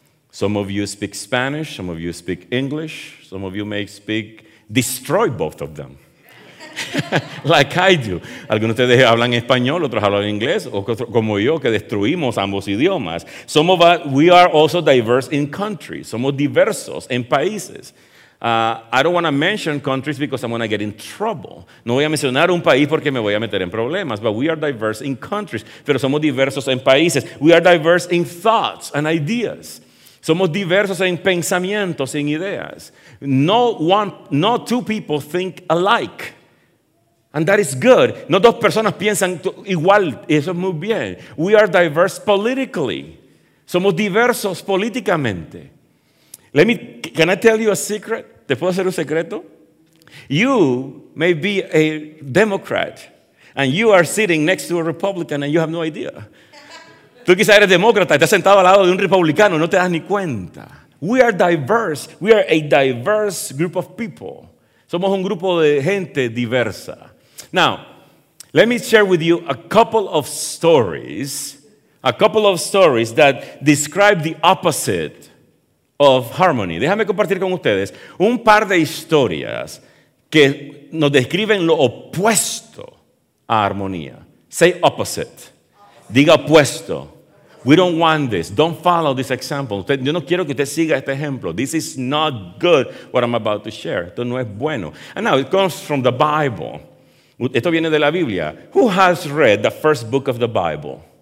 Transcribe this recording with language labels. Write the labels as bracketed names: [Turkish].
[English] Some of you speak Spanish, some of you speak English, some of you may speak, destroy both of them, like I do. [Spanish] Algunos de ustedes hablan español, otros hablan inglés, o como yo, que destruimos ambos idiomas. [English] Some of us, we are also diverse in countries, [Spanish] somos diversos en países. [English] I don't want to mention countries because I'm going to get in trouble. [Spanish] No voy a mencionar un país porque me voy a meter en problemas. [English] But we are diverse in countries, [Spanish] pero somos diversos en países. [English] We are diverse in thoughts and ideas. [Spanish] Somos diversos en pensamientos, en ideas. [English] No two people think alike. And that is good. [Spanish] No dos personas piensan igual. Eso es muy bien. [English] We are diverse politically. [Spanish] Somos diversos políticamente. [English] Can I tell you a secret? [Spanish] ¿Te puedo hacer un secreto? [English] You may be a Democrat and you are sitting next to a Republican and you have no idea. [Spanish] Tú quizás eres demócrata, estás sentado al lado de un republicano, no te das ni cuenta. [English] We are diverse. We are a diverse group of people. [Spanish] Somos un grupo de gente diversa. [English] Now, let me share with you a couple of stories that describe the opposite of harmony. [Spanish] Déjame compartir con ustedes un par de historias que nos describen lo opuesto a armonía. [English] Say opposite. [Spanish] Diga opuesto. [English] We don't want this. Don't follow this example. [Spanish] Yo no quiero que usted siga este ejemplo. [English] This is not good, what I'm about to share. [Spanish] Esto no es bueno. [English] And now, it comes from the Bible. [Spanish] Esto viene de la Biblia. [English] Who has read the first book of the Bible?